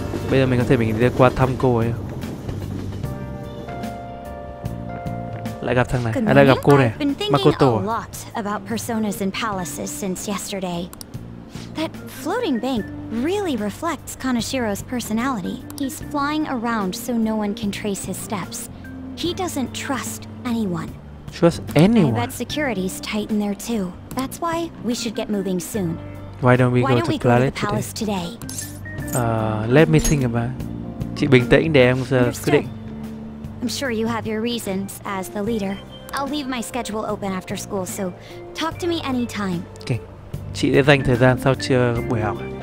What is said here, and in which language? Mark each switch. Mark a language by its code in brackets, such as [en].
[vi] Bây giờ mình có thể mình đi qua thăm cô ấy. Lại gặp thằng này, à, lại gặp cô này, Makoto. [en] I've been thinking a lot about personas and palaces since yesterday. That floating bank really reflects Kaneshiro's personality. He's flying around so no one can trace his steps. He doesn't trust anyone. Trust anyone? I bet security's tight in there too. That's why we should get moving soon. Why don't we go to Planet today? Let me think about it. [vi] Chị bình tĩnh để em quyết định. [en] I'm sure you have your reasons as the leader. I'll leave my schedule open after school, so talk to me anytime. Okay. [vi] Chị sẽ dành thời gian sau chưa buổi học.